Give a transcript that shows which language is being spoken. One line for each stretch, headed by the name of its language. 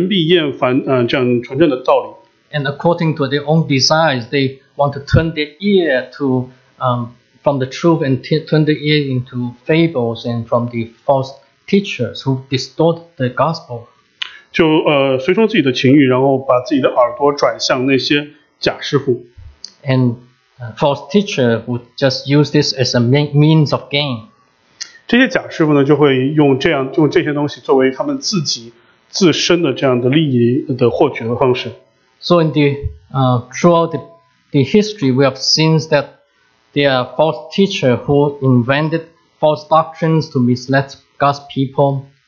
Chinese: 所以在提摩太书里面的时候，耶稣也说，人在最后时候要到的时候，人必厌烦这样纯正的道理。
English: And according to their own desires, they want to turn their ear to from the truth and turn their ear into fables and from the false teachers who distort the gospel.
Chinese: 就随从自己的情欲, 然后把自己的耳朵转向那些假师傅。
English: And false teacher would just use this as a means of gain.
Chinese: 这些假师傅呢, 就会用这样, 用这些东西作为他们自己自身的这样的利益的获取的方式。
English: So in the throughout the history, we have seen that there are false teachers who invented false doctrines to mislead God's people.